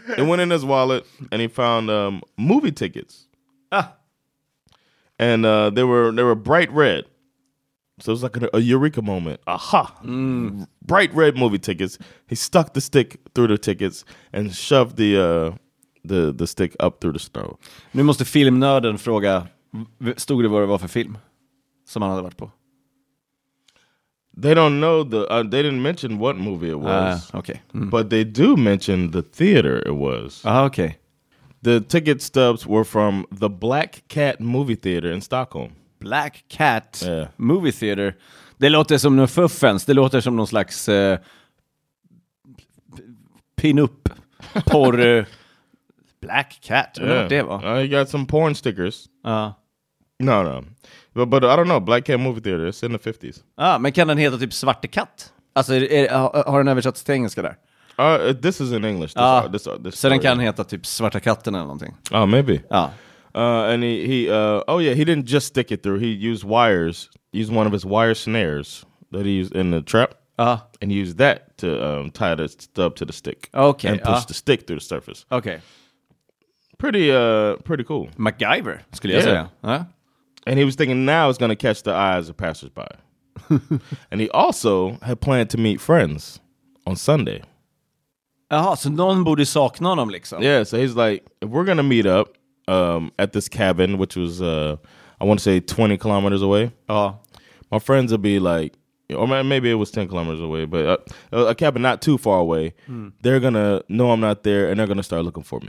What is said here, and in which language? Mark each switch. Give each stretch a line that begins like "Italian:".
English: It went in his wallet and he found movie tickets. And they were bright red. So it was like a eureka moment. Aha! Mm. Bright red movie tickets. He stuck the stick through the tickets and shoved the stick up through the snow.
Swedish: Nu måste filmnörden fråga, stod det vad det var för film som han hade varit på?
English: They don't know they didn't mention what movie it was. Okay. Mm. But they do mention the theater it was. Okay. The ticket stubs were from the Black Cat movie theater in Stockholm. Black Cat movie theater.
Swedish: Det låter som någon fuffens. Det låter som någon slags pin-up porr.
English: Black Cat. Yeah. You got some porn stickers. No. But I don't know. Black Cat movie theater. It's in the 50s.
Swedish: Men kan den heta typ Svarte Katt? Alltså, har den översatts till engelska där?
English: This is in English.
Swedish: Så den kan heta typ Svarta Katten eller någonting.
English: Maybe. Ah. And he didn't just stick it through. He used wires. Used one of his wire snares that he used in the trap. And used that to tie the stub to the stick. Okay. And push the stick through the surface. Okay. Pretty cool.
Swedish: MacGyver, skulle jag säga. Huh?
English: And he was thinking now it's going to catch the eyes of passersby. And he also had planned to meet friends on Sunday.
Swedish: Jaha, så någon borde sakna honom liksom.
English: Yeah, so he's like, if we're gonna meet up at this cabin, which was, I want to say 20 kilometers away. My friends would be like, or maybe it was 10 kilometers away, but a cabin not too far away. Mm. They're gonna know I'm not there and they're gonna start looking for me.